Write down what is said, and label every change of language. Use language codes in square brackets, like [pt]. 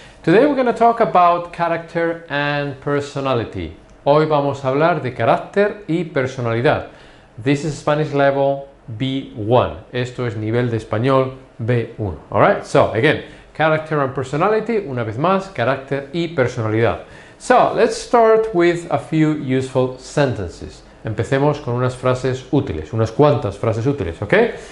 [en] Today we're going to talk about character and personality. [es] Hoy vamos a hablar de carácter y personalidad. [en] This is Spanish level B1. Esto es nivel de español B1. Alright? [es] So, again, character and personality. Una vez más, carácter y personalidad. [en] So, let's start with a few useful sentences. [es] Empecemos con unas frases útiles, unas cuantas frases útiles, ¿ok?